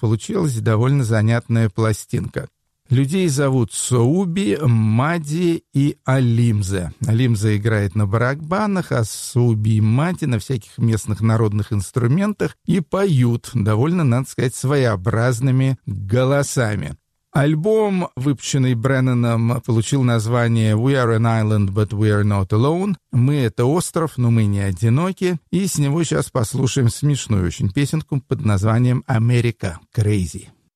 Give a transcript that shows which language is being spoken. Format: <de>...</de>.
<ru>Получилась довольно занятная пластинка. Людей зовут Соуби, Мади и Алимзе. Алимзе играет на барабанах, а Соуби и Мади на всяких местных народных инструментах и поют довольно, надо сказать, своеобразными голосами. Альбом, выпущенный Бренноном, получил название</ru> <en>«We are an island, but we are not alone».</en> <ru>«Мы — это остров, но мы не одиноки». И с него сейчас послушаем смешную очень песенку под названием «America Crazy».</ru>